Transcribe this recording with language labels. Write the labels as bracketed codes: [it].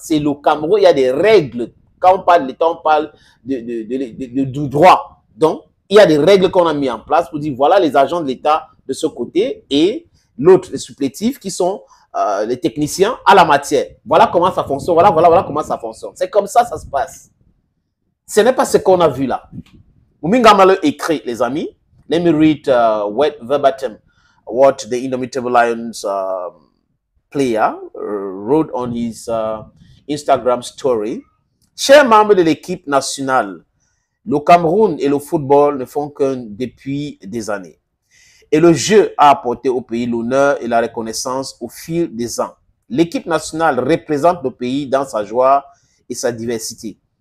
[fr] C'est le Cameroun, il y a des règles. Quand on parle de l'État, on parle du droit. Donc, il y a des règles qu'on a mises en place pour dire, voilà les agents de l'État de ce côté et l'autre, les supplétifs qui sont les techniciens à la matière. Voilà comment ça fonctionne, voilà comment ça fonctionne. C'est comme ça se passe. Ce n'est pas ce qu'on a vu là. Mominga Maleu écrit, les amis, [en] let me read verbatim what the Indomitable Lions player wrote on his Instagram story. [fr] Chers membres de l'équipe nationale, le Cameroun et le football ne font qu'un depuis des années. Et le jeu a apporté au pays l'honneur et la reconnaissance au fil des ans. L'équipe nationale représente le pays dans sa joie et sa diversité.